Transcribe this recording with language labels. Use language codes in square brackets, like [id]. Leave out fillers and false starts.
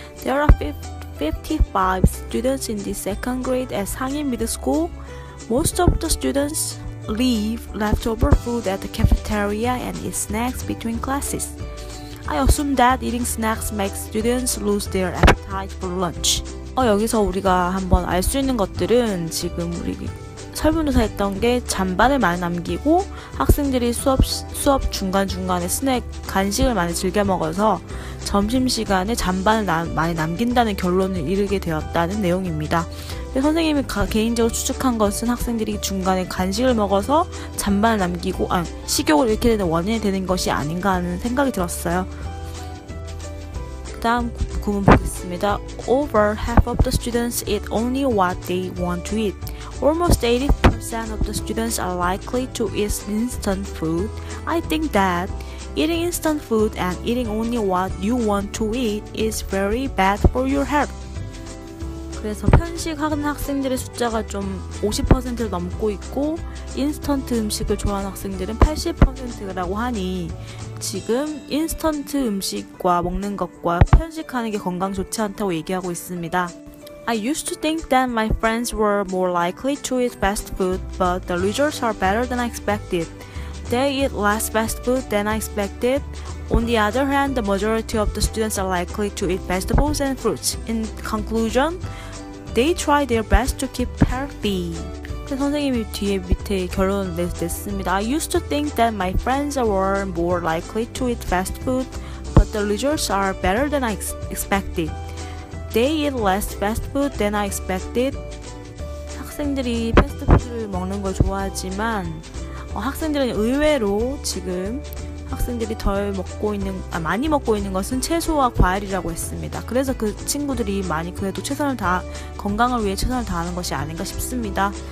[en] There are 55 students in the second grade at Sangin Middle School. Most of the students leave leftover food at the cafeteria and eat snacks between classes. I assume that eating snacks makes students lose their appetite for lunch. [ko] 여기서 우리가 한번 알 수 있는 것들은 지금 우리 설문조사 했던 게 잔반을 많이 남기고 학생들이 수업 중간중간에 스낵, 간식을 많이 즐겨 먹어서 점심시간에 잔반을 많이 남긴다는 결론을 이르게 되었다는 내용입니다. 선생님이 개인적으로 추측한 것은 학생들이 중간에 간식을 먹어서 잔반을 남기고 식욕을 잃게 되는 원인이 되는 것이 아닌가 하는 생각이 들었어요. 다음 구문 보겠습니다. [en] Over half of the students eat only what they want to eat. Almost 80% of the students are likely to eat instant food. I think that eating instant food and eating only what you want to eat is very bad for your health. [ko] 그래서 편식하는 학생들의 숫자가 좀 50%를 넘고 있고 인스턴트 음식을 좋아하는 학생들은 80%라고 하니 지금 인스턴트 음식과 먹는 것과 편식하는 게 건강 좋지 않다고 얘기하고 있습니다. [en] I used to think that my friends were more likely to eat fast food, but the results are better than I expected. They eat less fast food than I expected. On the other hand, the majority of the students are likely to eat vegetables and fruits. In conclusion, they try their best to keep healthy. [ko] 선생님이 뒤에 밑에 결론을 냈습니다. [en] I used to think that my friends were more likely to eat fast food, but the results are better than I expected. They eat less fast food than I expected. [ko] 학생들이 패스트푸드를 먹는 걸 좋아하지만 학생들은 의외로 지금 학생들이 많이 먹고 있는 것은 채소와 과일이라고 했습니다. 그래서 그 친구들이 많이 그래도 건강을 위해 최선을 다하는 것이 아닌가 싶습니다.